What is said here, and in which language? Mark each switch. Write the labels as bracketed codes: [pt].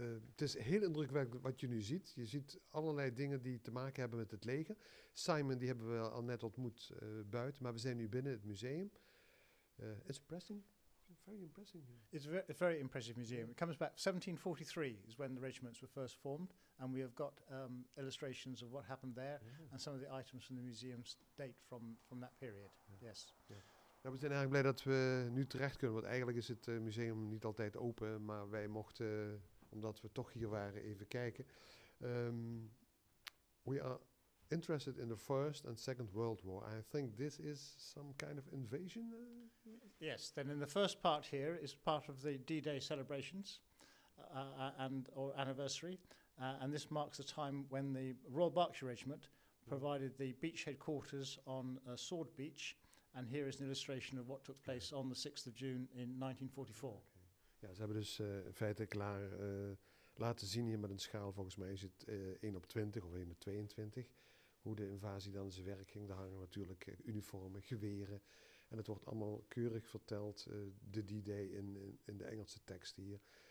[nl] Het is heel indrukwekkend wat je nu ziet. Je ziet allerlei dingen die te maken hebben met het leger. Simon, die hebben we al net ontmoet buiten, maar we zijn nu binnen het museum. [en] It's impressing. Very impressing. It's a very impressive museum. Yeah. It comes back, 1743 is when the regiments were first formed, and we have got illustrations of what happened there, yeah, and some of the items from the museum date from that period. Yeah. Yes. Yeah. [nl] Nou, we zijn eigenlijk blij dat we nu terecht kunnen, want eigenlijk is het museum niet altijd open, maar wij mochten, omdat we toch hier waren, even kijken. [en] We are interested in the First and Second World War. I think this is some kind of invasion. Yes, then in the first part here is part of the D-Day celebrations or anniversary. And this marks the time when the Royal Berkshire Regiment provided the beachhead quarters on Sword Beach. And here is an illustration of what took place on the 6th of June in 1944. [nl] Okay. Ja, ze hebben dus in feite klaar laten zien hier met een schaal. Volgens mij is het 1 op 20 of 1 op 22. Hoe de invasie dan zijn werk ging. Daar hangen natuurlijk uniformen, geweren. En het wordt allemaal keurig verteld, de D-Day in de Engelse tekst hier.